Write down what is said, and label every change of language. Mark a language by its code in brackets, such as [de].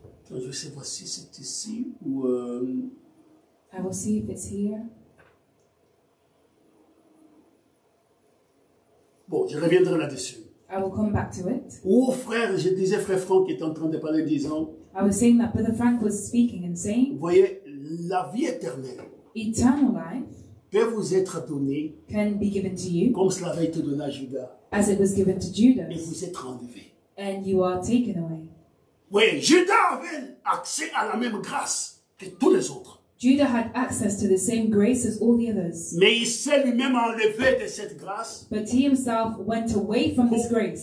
[fr] Donc, je sais pas si c'est ici ou. [en] I will see if it's here. [fr] Bon, je reviendrai là-dessus. [en] I will come back to it. [fr] Oh frère, je disais frère Franck qui est en train de parler disant. [en] I was saying that Brother Frank was speaking and saying. [fr] Vous voyez, la vie éternelle. [en] Eternal life. [fr] Peut vous être donné. [en] Can be given to you. [fr] Comme cela avait été donné à Judas. [en] As it was given to Judas. [fr] Et vous êtes enlevé. [en] And you are taken away. [fr] Oui, Judas avait accès à la même grâce. que tous les autres. [en] Judah had access to the same grace as all the others. [fr] Mais il s'est lui-même enlevé de cette grâce. [en] But he himself went away from this grace.